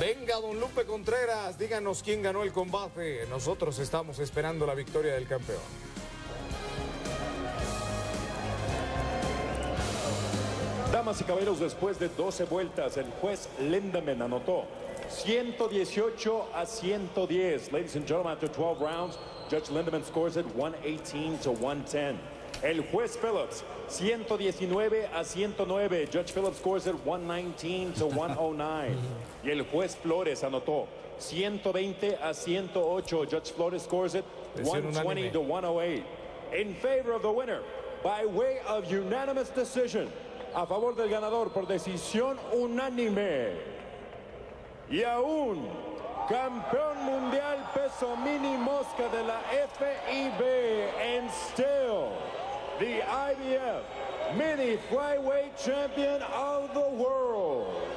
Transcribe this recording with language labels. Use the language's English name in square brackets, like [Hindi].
[Spanish] Venga, don Lupe Contreras, díganos quién ganó el combate. Nosotros estamos esperando la victoria del campeón. Damas y caballeros, después de 12 vueltas, el juez Lindemann anotó 118 a 110. [English] Ladies and gentlemen, after 12 rounds, Judge Lindemann scores it 118 to 110. [Spanish] El juez Phillips, 119 a 109. [English] Judge Phillips scores it 119 to 109. [Spanish] Y el juez Flores anotó 120 a 108. [English] Judge Flores scores it 120 to 108. In favor of the winner, by way of unanimous decision, [Spanish] a favor del ganador por decisión unánime. Y aún campeón mundial peso mini mosca de la FIB. [English] And still the IBF mini flyweight champion of the world.